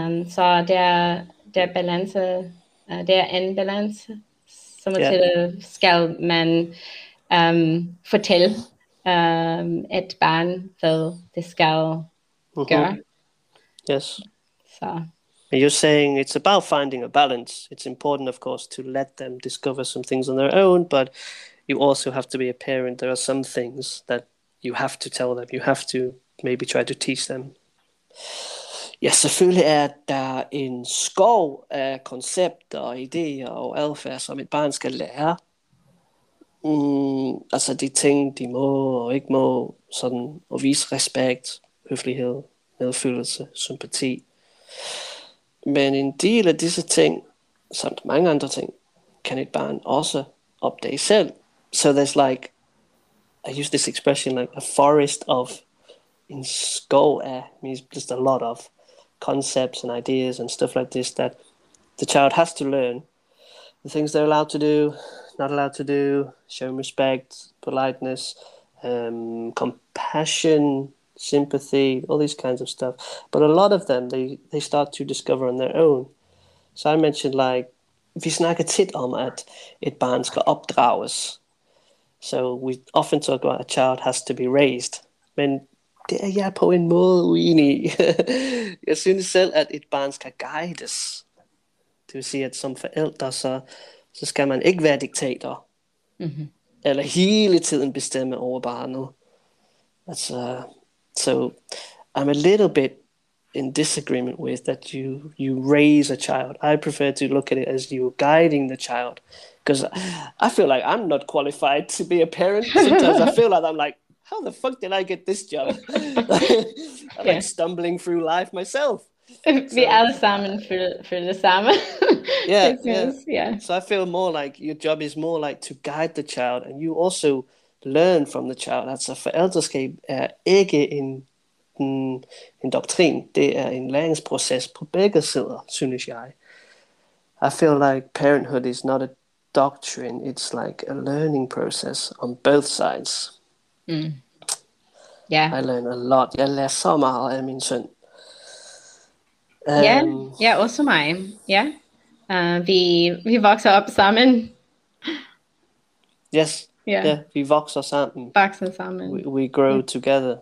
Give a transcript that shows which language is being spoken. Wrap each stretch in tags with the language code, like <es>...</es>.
<da>Så der balance, der en balance, sommetider skal man fortælle et barn, hvad det skal gøre.</da> <en>Yes. So. You're saying it's about finding a balance. It's important, of course, to let them discover some things on their own, but you also have to be a parent. There are some things that you have to tell them. You have to maybe try to teach them.</en> <da>Ja, selvfølgelig er der en skov af koncepter og idéer og adfærd, som et barn skal lære. Altså de ting, de må og ikke må, sådan at vise respekt, høflighed, medfølelse, sympati. Men en del af disse ting, samt mange andre ting, kan et barn også opdage selv.</da> <en>So there's like, I use this expression, like a forest of,</en> <da>en skov af,</da> <en>means just a lot of concepts and ideas and stuff like this that the child has to learn. The things they're allowed to do, not allowed to do, showing respect, politeness, compassion, sympathy, all these kinds of stuff. But a lot of them, they start to discover on their own. So I mentioned, like,</en> <da>vi snakker tit om at et barn skal opdrages.</da> <en>So we often talk about a child has to be raised.</en> <da>Men det er jeg på en måde uenig. Jeg synes selv, at et barn skal guides. Det vil sige, at som forældre, så skal man ikke være diktator. Mm-hmm. Eller hele tiden bestemme over barnet.</da> <en>Altså, so I'm a little bit in disagreement with that you raise a child. I prefer to look at it as you guiding the child, because I feel like I'm not qualified to be a parent. Sometimes I feel like I'm like, how the fuck did I get this job? I'm like stumbling through life myself. We are salmon for the salmon. So I feel more like your job is more like to guide the child, and you also learn from the child. That's a</en> <da>forældreskab er ikke en doktrin. Det er en læringsproces på begge sider, synes jeg.</da> <en>I feel like parenthood is not a doctrine. It's like a learning process on both sides. Mm. Yeah. I learn a lot.</en> <da>Jeg lærer så meget af min søn. Yeah, også mig. Yeah. Vi vokser op sammen.</da> <en>Yes. Yeah.</en> <da>Yeah, vi vokser sammen. Vokser sammen.</da> <en>We grow together.</en>